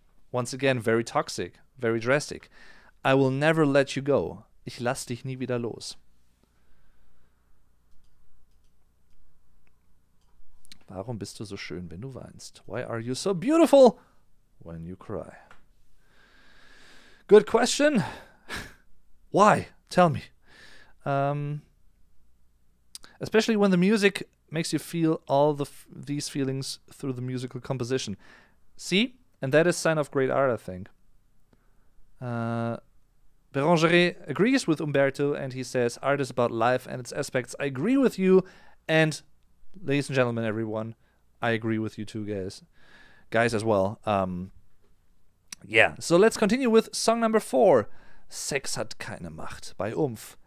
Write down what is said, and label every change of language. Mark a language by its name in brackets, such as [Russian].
[English] Once again, very toxic, very drastic. I will never let you go. [German] Ich lass dich nie wieder los. Warum bist du so schön, wenn du weinst? [English] Why are you so beautiful when you cry? Good question. Why? Tell me. Especially when the music makes you feel all the these feelings through the musical composition. See? And that is a sign of great art, I think. Bérangère agrees with Umberto and he says, art is about life and its aspects. I agree with you. And ladies and gentlemen, everyone, I agree with you too, guys. Guys as well. So let's continue with song number four. Sex hat keine Macht by Oomph.